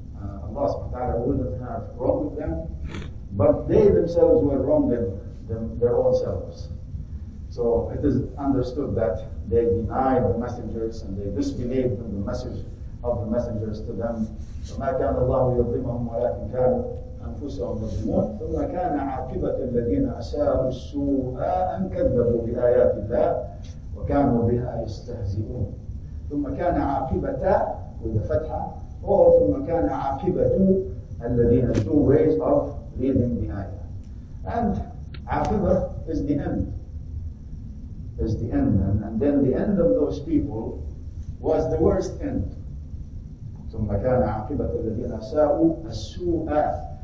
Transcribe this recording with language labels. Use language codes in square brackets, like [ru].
[en] Allah subhanahu wa ta'ala wouldn't have wronged them, but they themselves were wronged their own selves. So it is understood that they denied the messengers and they disbelieved in the message of the messengers to them. [ar] فَمَا كَانَ اللَّهُ لِيَظْلِمَهُمْ وَلَكِنْ كَانُوا أنفسهم مظلمون. ثم كان عاقبة الذين أساءوا السوء أن كذبوا بآيات الله وكانوا بها يستهزئون. ثم كان عاقبة [en] with the [ar] فتحة أو ثم كان عاقبة الذين [en] two ways of reading the ayah. And عاقبة is the end and then the end of those people was the worst end. [ar] ثم كان عاقبة الذين أساءوا السوء.